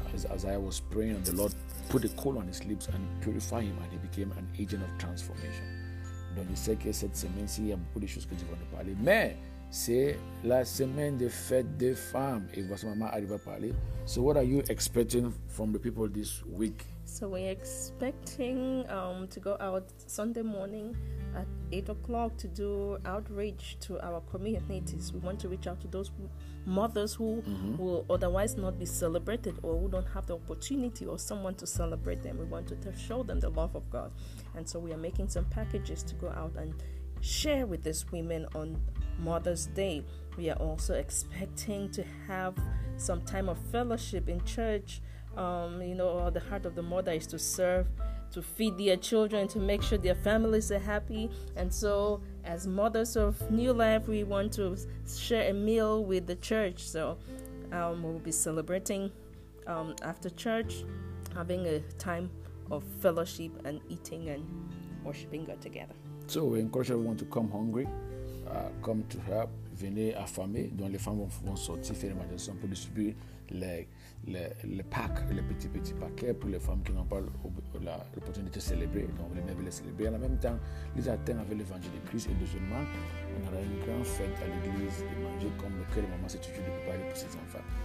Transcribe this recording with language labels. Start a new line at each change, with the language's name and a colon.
English: As I was praying, and the Lord put a coal on his lips and purified him, and he became an agent of transformation.
French: Donc, je sais que cette semaine-ci, il y a beaucoup de choses que tu vas nous parler. Mais c'est la semaine de fête des femmes. Et voici maman arrive à parler.
English: So, what are you expecting from the people this week? So, we're expecting to go out Sunday morning at 8 o'clock to do outreach to our communities. We want to reach out to those mothers who mm-hmm. will otherwise not be celebrated or who don't have the opportunity or someone to celebrate them. We want to show them the love of God. And so we are making some packages to go out and share with these women on Mother's Day. We are also expecting to have some time of fellowship in church. You know, the heart of the mother is to serve, to feed their children, to make sure their families are happy. And so as mothers of New Life, we want to share a meal with the church. So we'll be celebrating after church, having a time of fellowship and eating and worshiping God together. So we encourage everyone to come hungry, come to help.
French: Venez affamé, dont les femmes vont sortir faire les manifestations pour distribuer les packs, les petits paquets pour les femmes qui n'ont pas l'opportunité de célébrer. Donc les mères veulent les célébrer. En même temps, les athènes avec l'évangile de Christ. Et deuxièmement, on aura une grande fête à l'église de manger comme le cœur de maman s'est toujours préparé pour ses enfants.